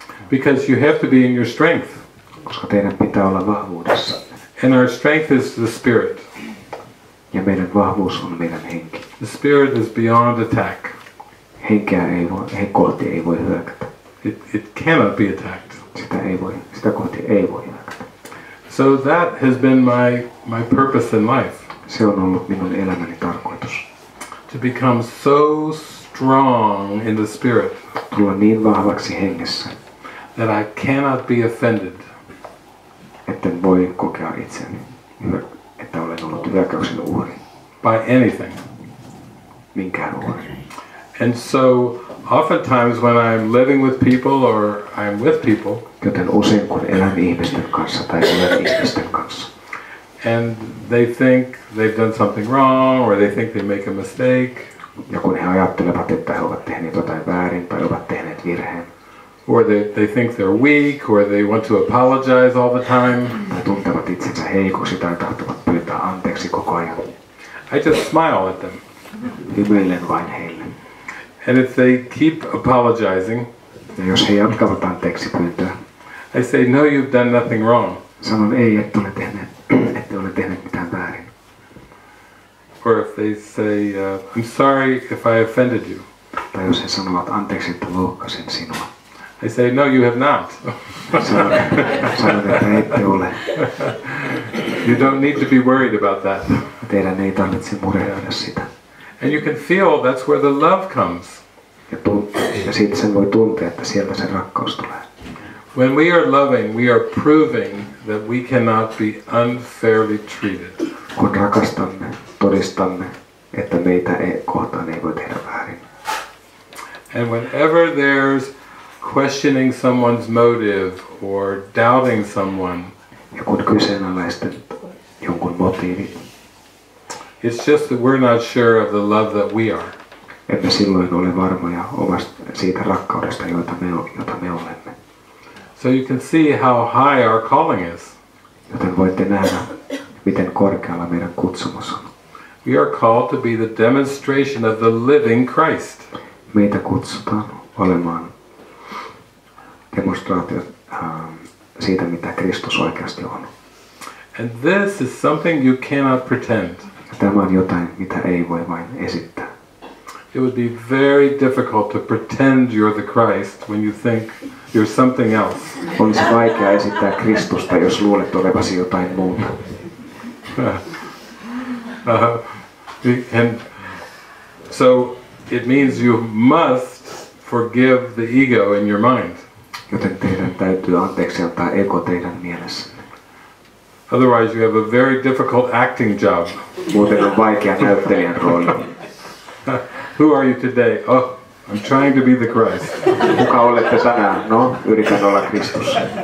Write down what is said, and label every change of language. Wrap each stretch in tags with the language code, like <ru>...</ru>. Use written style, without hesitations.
<en>Because you have to be in your strength.</en> <fi>Koska teidän pitää olla vahvuudessa.</fi> <en>And our strength is the spirit.</en> <fi>Ja meidän vahvuus on meidän henki.</fi> <en>The spirit is beyond attack.</en> <fi>Henkeä ei voi hyökätä.</fi> <en>It cannot be attacked.</en> <fi>Sitä kohti ei voi hyökätä.</fi> <en>So that has been my purpose in life.</en> <fi>Se on ollut minun elämäni tarkoitus.</fi> <en>To become so strong in the spirit.</en> <fi>Tulla niin vahvaksi hengessä.</fi> <en>That I cannot be offended.</en> <fi>Etten voi kokea itseäni, että olen ollut hyökkäyksen uhri.</fi> <en>By anything.</en> <fi>Minkään uhri.</fi> <en>And so oftentimes when I'm living with people or I'm with people,</en> <fi>joten usein kun elän ihmisten kanssa tai olen ihmisten kanssa,</fi> <en>and they think they've done something wrong or they think they make a mistake,</en> <fi>ja kun he ajattelevat, että he ovat tehneet jotain väärin tai ovat tehneet virheen,</fi> <en>or they think they're weak or they want to apologize all the time,</en> <fi>tai tuntevat itsensä heikoksi tai tahtovat pyytää anteeksi koko ajan,</fi> <en>I just smile at them.</en> <fi>Hymyilen vain heille.</fi> <en>And if they keep apologizing,</en> <fi>ja jos he jatkavat anteeksi pyyntöä,</fi> <en>I say, no, you've done nothing wrong.</en> <fi>Sanon, ei, ette ole tehneet mitään väärin.</fi> <en>Or if they say, I'm sorry if I offended you.</en> <fi>Tai jos he sanovat, anteeksi, että loukkasin sinua.</fi> <en>I say, no, you have not.</en> <fi>Sanon, että ette ole.</fi> <en>You don't need to be worried about that.</en> <fi>Teidän ei tarvitse murehtia sitä.</fi> <en>And you can feel that's where the love comes.</en> <fi>Ja sitten sen voi tuntea, että sieltä sen rakkaus tulee.</fi> <en>When we are loving, we are proving that we cannot be unfairly treated.</en> <fi>Kun rakastamme, todistamme, että meitä kohtaan ei voi tehdä väärin.</fi> <en>And whenever there's questioning someone's motive or doubting someone,</en> <fi>ja kun kyseenalaistat jonkun motiivin,</fi> <en>it's just that we're not sure of the love that we are.</en> <fi>Emme silloin ole varmoja omasta siitä rakkaudesta, jota me olemme.</fi> <en>So you can see how high our calling is.</en> <fi>Joten voitte nähdä, miten korkealla meidän kutsumus on.</fi> <en>We are called to be the demonstration of the living Christ.</en> <fi>Meitä kutsutaan olemaan demonstraatio siitä, mitä Kristus oikeasti on.</fi> <en>And this is something you cannot pretend.</en> <fi>Tämä on jotain, mitä ei voi vain esittää.</fi> <en>It would be very difficult to pretend you're the Christ when you think you're something else.</en> <fi>Olisi vaikea esittää Kristusta, jos luulet olevasi jotain muuta.</fi> <en>And so it means you must forgive the ego in your mind.</en> <fi>Joten teidän täytyy anteeksi antaa ego teidän mielessä.</fi> <en>Otherwise you have a very difficult acting job.</en> <fi>Muuten on vaikea näyttelijän rooli.</fi> <en>Who are you today? Oh, I'm trying to be the Christ.</en> <fi>Kuka olette tänään? No, yritän olla Kristus.</fi>